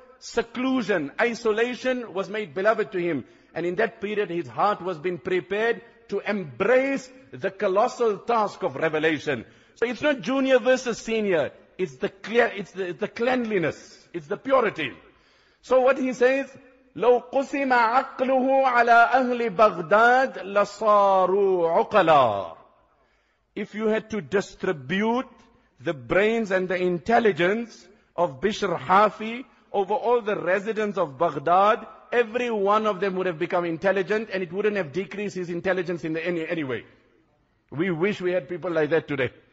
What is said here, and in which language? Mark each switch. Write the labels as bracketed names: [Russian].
[English] Seclusion, isolation was made beloved to him. And in that period, his heart was being prepared to embrace the colossal task of revelation. So it's not junior versus senior. It's the clear, it's the cleanliness, it's the purity. So what he says, [Arabic] لو قسم عقله على أهل بغداد لصاروا عقلا. [English] If you had to distribute the brains and the intelligence of Bishr Hafi over all the residents of Baghdad, every one of them would have become intelligent, and it wouldn't have decreased his intelligence in any way. We wish we had people like that today.